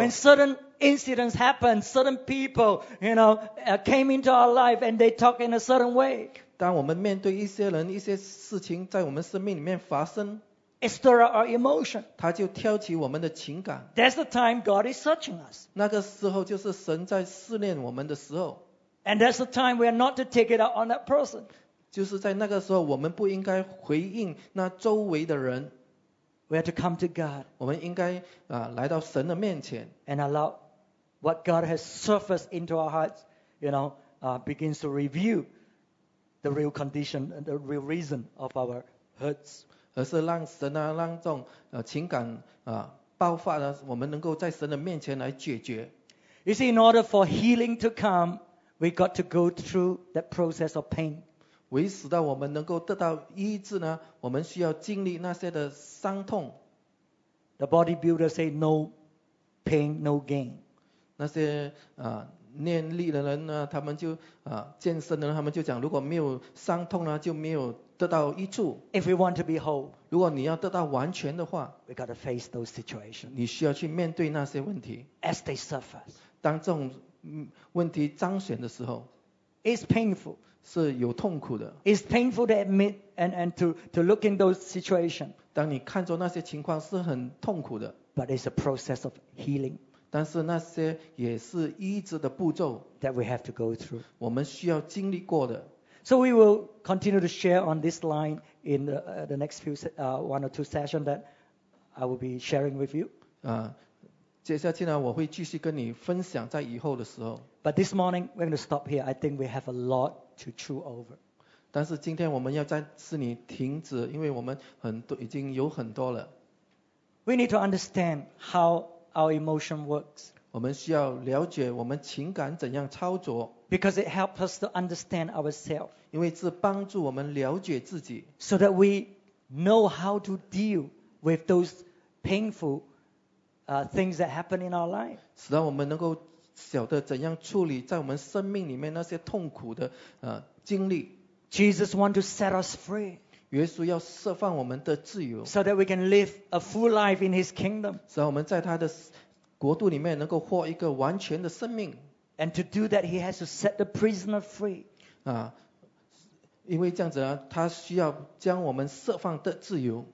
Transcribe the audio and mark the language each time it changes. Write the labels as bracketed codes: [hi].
[en] ，when certain incidents happen, certain people, you know, came into our life and they talk in a certain way. [zh] 当我们面对一些人、一些事情在我们生命里面发生 [en] ，It stirs our emotion. [zh] 它就挑起我们的情感。 [en] That's the time God is searching us. [zh] 那个时候就是神在试炼我们的时候。 [en] And that's the time we are not to take it out on that person. [zh] 就是在那个时候，我们不应该回应那周围的人。 [en] We have to come to God. [zh] 我们应该来到神的面前。 [en] And allow what God has surfaced into our hearts, you know, begins to review the real condition and the real reason of our hurts. [zh] 而是让神啊，让这种情感啊爆发呢，我们能够在神的面前来解决。 [en] You see, in order for healing to come, we got to go through that process of pain. [zh] 为使到我们能够得到医治呢，我们需要经历那些的伤痛。 [en] The bodybuilder say no pain, no gain. [zh] 那些练力的人呢，他们就健身的人，他们就讲，如果没有伤痛呢，就没有得到益处。 [en] If we want to be whole, [zh] 如果你要得到完全的话 [en] ，we gotta face those situations. [zh] 你需要去面对那些问题。 [en] As they suffer, [zh] 当这种问题彰显的时候 [en] ，it's painful. [zh] 是有痛苦的。 [en] It's painful to admit and to look in those situations. [zh] 当你看着那些情况是很痛苦的。 [en] But it's a process of healing. [zh] 但是那些也是医治的步骤 [en] that we have to go through. [zh] 我们需要经历过的。 [en] So we will continue to share on this line in the next few one or two sessions that I will be sharing with you. [zh] 接下去呢，我会继续跟你分享在以后的时候。 [en] But this morning we're going to stop here. I think we have a lot to chew over. [zh] 但是今天我们要暂时你停止，因为我们很多已经有很多了。 [en] We need to understand how our emotion works. [zh] 我们需要了解我们情感怎样操作。 [en] Because it helps us to understand ourselves. [zh] 因为这帮助我们了解自己。 [en] So that we know how to deal with those painful things that happen in our life. [zh] 使得我们能够晓得怎样处理在我们生命里面那些痛苦的经历。 [en] Jesus wants to set us free. [zh] 耶稣要释放我们的自由。 [en] So that we can live a full life in His kingdom. [zh] 使得我们在他的国度里面能够获一个完全的生命。 [en] And to do that, he has to set the prisoner free. [zh] 因为这样子呢，他需要将我们释放的自由。